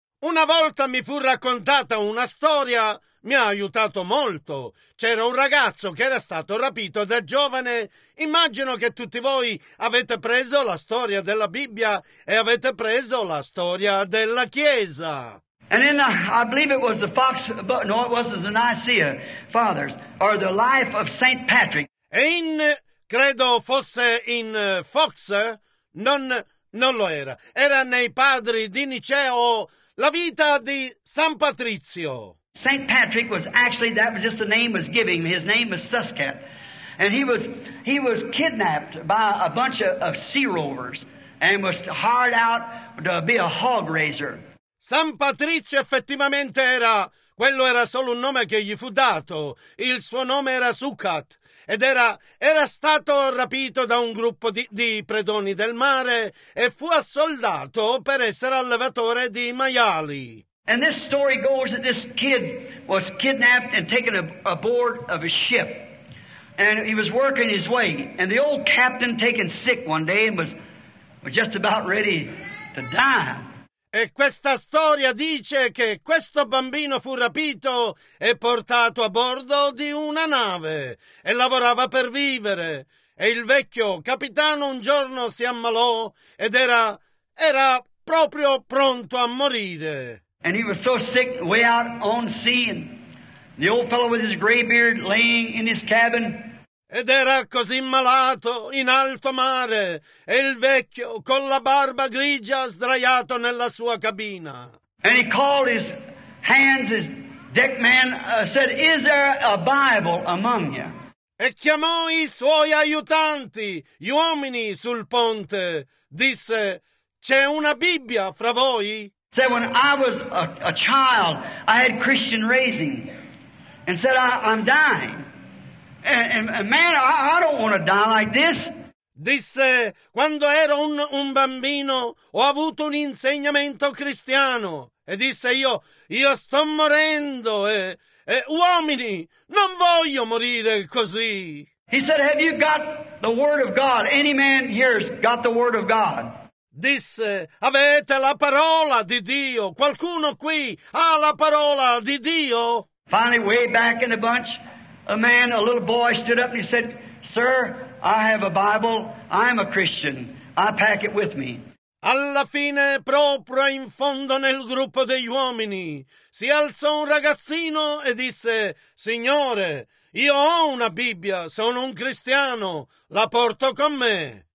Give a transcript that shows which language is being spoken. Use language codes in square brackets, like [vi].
[it] Una volta mi fu raccontata una storia. Mi ha aiutato molto. C'era un ragazzo che era stato rapito da giovane. Immagino che tutti voi avete preso la storia della Bibbia e avete preso la storia della Chiesa. [en] And then I believe it was the Fox, but no, it was the Nicaea Fathers, or the life of Saint Patrick. [it] E in, credo fosse in Fox, non lo era. Era nei padri di Niceo, la vita di San Patrizio. [en] St. Patrick was actually, that was just the name was given. His name was Suscat. And he was kidnapped by a bunch of sea rovers and was hired out to be a hog raiser. [it] San Patrizio effettivamente era, quello era solo un nome che gli fu dato. Il suo nome era Suscat. Ed era stato rapito da un gruppo di predoni del mare e fu assoldato per essere allevatore di maiali. [en] And this story goes that this kid was kidnapped and taken aboard of a ship. And he was working his way. And the old captain taken sick one day and was just about ready to die. [it] E questa storia dice che questo bambino fu rapito e portato a bordo di una nave e lavorava per vivere. E il vecchio capitano un giorno si ammalò ed era proprio pronto a morire. [en] And he was so sick, way out on sea, and the old fellow with his gray beard laying in his cabin. [it] Ed era così malato in alto mare, e il vecchio con la barba grigia sdraiato nella sua cabina. [en] And he called his hands, his deck man, said, "Is there a Bible among you?" [it] E chiamò i suoi aiutanti, gli uomini sul ponte. Disse, "C'è una Bibbia fra voi?" [en] Said, when I was a child, I had Christian raising. And said, I'm dying. And man, I don't want to die like this. [it] Disse, quando ero un bambino, ho avuto un insegnamento cristiano. E disse, io sto morendo. E uomini, non voglio morire così. [en] He said, have you got the word of God? Any man here's got the word of God. [it] disse: avete la parola di Dio? Qualcuno qui ha la parola di Dio? [en] Finally, way back in the bunch, a man, a little boy, stood up and he said, sir, I have a Bible, I'm a Christian, I pack it with me. [it] Alla fine, proprio in fondo nel gruppo degli uomini, si alzò un ragazzino e disse, signore, io ho una Bibbia, sono un cristiano, la porto con me.